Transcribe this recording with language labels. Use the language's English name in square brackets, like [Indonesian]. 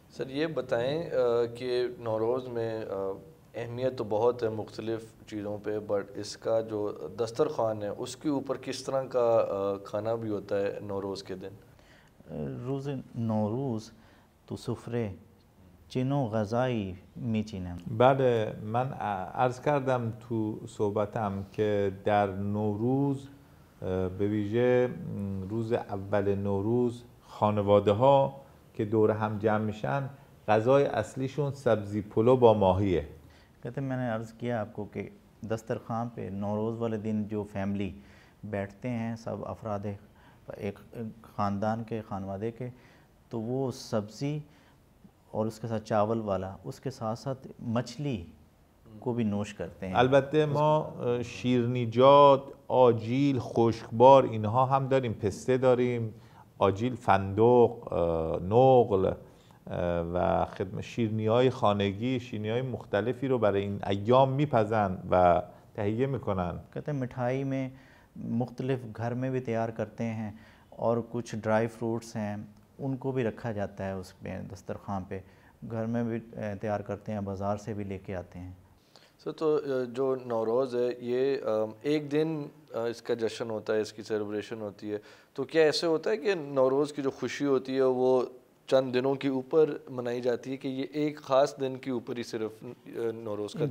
[Urdu] یہ بتائیں کہ نوروز میں اہمیت تو بہت ہے مختلف چیزوں پہ، بٹ اس کا جو دسترخوان ہے اس کے اوپر کس طرح کا کھانا بھی ہوتا ہے نوروز کے دن؟ [Persian] روز نوروز تو سفرے چنو غذائی می چینم. بله، من عرض کردم تو صحبتم که در نوروز به ویژه روز اول نوروز خانواده ها که دور هم جمع میشن غذای اصلیشون سبزی پلو با ماهیه. [Urdu] کہتے میں نے عرض کیا آپ کو کہ دسترخوان پہ نوروز والے دن جو فیملی بیٹھتے ہیں، سب افراد ایک خاندان کے، خانوادے کے، تو وہ سبزی اور اس کے ساتھ چاول والا، اس کے ساتھ ساتھ مچھلی کو بھی نوش کرتے ہیں. [Persian] البته ما شیرنیجات، آجیل، خشکبار اینها هم داریم، پسته داریم، آجیل، فندق، نقل و خدمت شیرنی های خانگی، شیرنی های مختلفی رو برای این ایام میپزن و تهیه میکنن. [Urdu] کہتے ہیں مٹھائی میں مختلف گھر میں بھی تیار کرتے ہیں، اور کچھ ڈرائی فروٹس ہیں ان کو بھی رکھا جاتا ہے اس میں دسترخوان پہ، گھر میں بھی تیار کرتے ہیں، بازار سے بھی لے کے آتے ہیں. سر، تو جو نوروز ہے یہ ایک دن اس کا جشن ہوتا ہے، اس کی سیلیبریشن ہوتی ہے، تو کیا ایسے ہوتا ہے کہ نوروز کی جو خوشی ہوتی ہے وہ چند دنوں کے اوپر منائی جاتی ہے، کہ یہ ایک خاص دن کے اوپر ہی صرف نوروز کا